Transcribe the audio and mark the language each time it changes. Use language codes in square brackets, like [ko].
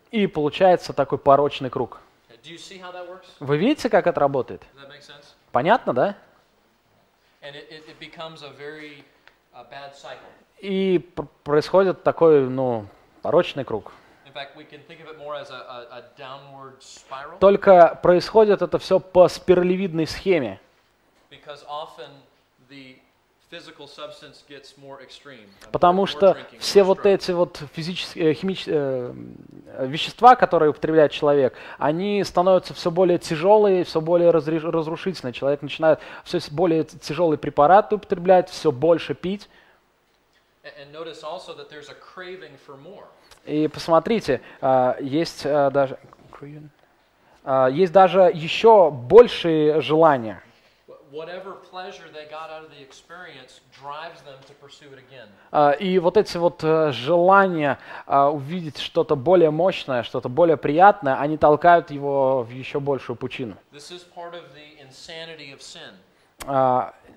[ru] И получается такой порочный круг. [en] Do you see how that works? [ru] Вы видите, как это работает? [en] Does that make sense? [ru] Понятно, да? [en] And it becomes a very, a bad cycle. [ru] И происходит такой, ну, порочный круг. [en] In fact, we can think of it more as a downward spiral. [ru] Только происходит это все по спиралевидной схеме. [en] Because often the physical substance gets more extreme. [ru] Потому что все вот эти вот вещества, которые употребляет человек, они становятся все более тяжелые, все более разрушительные. Человек начинает все более тяжелые препараты употреблять, все больше пить. [en] And notice also that there's a craving for more. [ru] И посмотрите, есть даже еще большие желания. [en] Whatever pleasure they got out of the experience drives them to pursue it again. [ru] И вот эти вот желания увидеть что-то более мощное, что-то более приятное, они толкают его в еще большую пучину. [en] This is part of the insanity of sin.